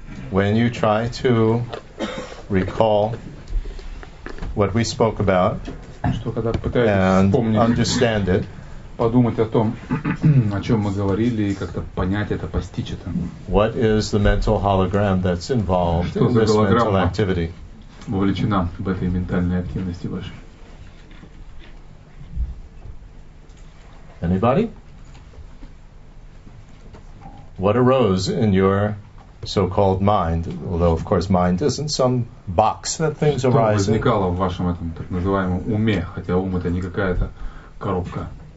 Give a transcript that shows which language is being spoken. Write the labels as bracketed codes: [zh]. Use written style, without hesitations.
[en] When you try to recall what we spoke about and understand it, [ru] подумать о том, о чем мы говорили, и как-то понять это, постичь это. [en] What is the mental hologram that's involved in this mental activity? [ru] Вовлечена в этой ментальной активности вашей? [en] Anybody? What arose in your so-called mind, although of course mind isn't some box that things arise in. [ru] Что возникало в вашем этом так называемом уме, хотя ум это не какая-то коробка.